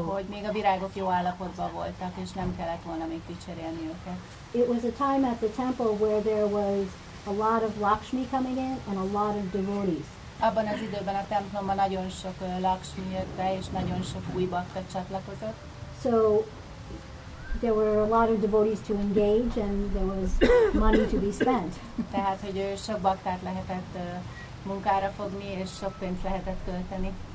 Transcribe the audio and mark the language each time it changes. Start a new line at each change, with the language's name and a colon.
Hungarian: Hogy még a virágok jó állapotban voltak, és nem kellett volna még kicserélni őket.
English: It was a time at the temple where there was a lot of Lakshmi coming in and a lot of devotees.
Hungarian: Abban az időben a templomban nagyon sok Lakshmi jött be, és nagyon sok új bhakta csatlakozott.
English: So there were a lot of devotees to engage and there was money to be spent.
Hungarian: Tehát, hogy sok baktát lehetett munkára fogni és sok pénzt lehetett költeni.